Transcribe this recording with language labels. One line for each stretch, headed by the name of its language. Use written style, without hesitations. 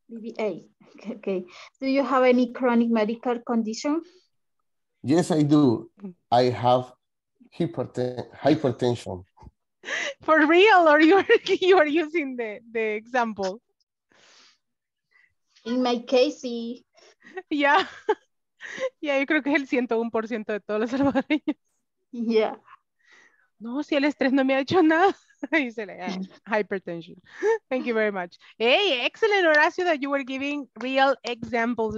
English: BBA. Okay. Do you have any chronic medical condition? Yes, I do. I have hypertension. For real, or you are using the example? In my case, sí.
Spanish: Ya. Ya, yo creo que es el 101% de todos los salvadoreños.
English: Ya. Yeah.
Spanish: No, si el estrés no me ha hecho nada.
English: Dice hypertension. Thank you very much. Hey, excellent, Horacio, that you were giving real examples.